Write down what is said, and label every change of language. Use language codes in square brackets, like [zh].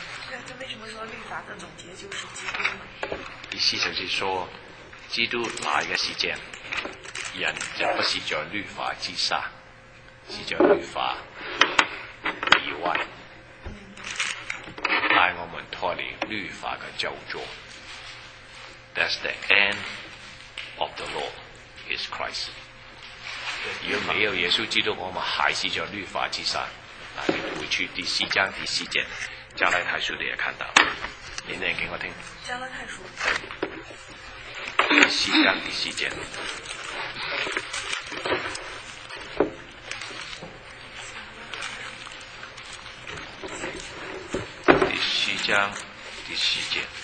[zh] 那为什么说律法的总结就是基督？意思就是说，基督来的时间，人就不是在律法之下，是在律法以外，带我们脱离律法的咒诅。 [en] That's the end of the law is Christ。 [zh] 如果没有耶稣基督，我们还是在律法之下。那你回去第四章第四节加拉太书里也看到，你念给我听。加拉太书第四章第四节，第四章第四节，